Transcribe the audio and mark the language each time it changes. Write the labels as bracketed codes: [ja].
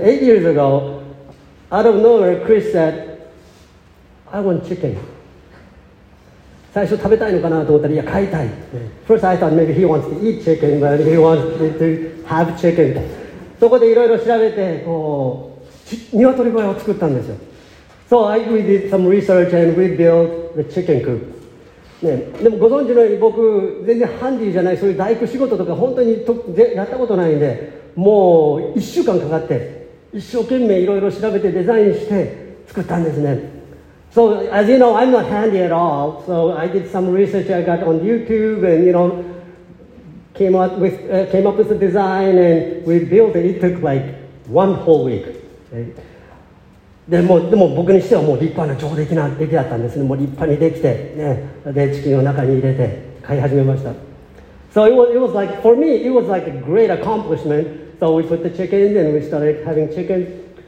[en] So 8 years ago, out of nowhere, Chris said, I want chicken. [ja] 最初食べたいのかなと思ったら、いや、飼いたい。 [en] First I thought maybe he wants to eat chicken, but he wants to have chicken. [ja] そこでいろいろ調べて、こう、鶏小屋を作ったんですよ。 [en] So I did some research and we built the chicken coop. [ja] ね、でもご存知のように僕全然ハンディじゃない、そういう大工仕事とか本当にやったことないんで、もう1週間かかって一生懸命いろいろ調べてデザインして作ったんですね。 [en] So as you know, I'm not handy at all. So I did some research I got on YouTube and you know came up with the design and we built it. It took like one whole week、okay. [ja] でも僕にしてはもう立派な上出来な出来だったんですね。もう立派にできて、ね、でチキンを中に入れて買い始めました。 [en] So it was like, for me, it was like a great accomplishment. So we put the chickens and we started having chickens.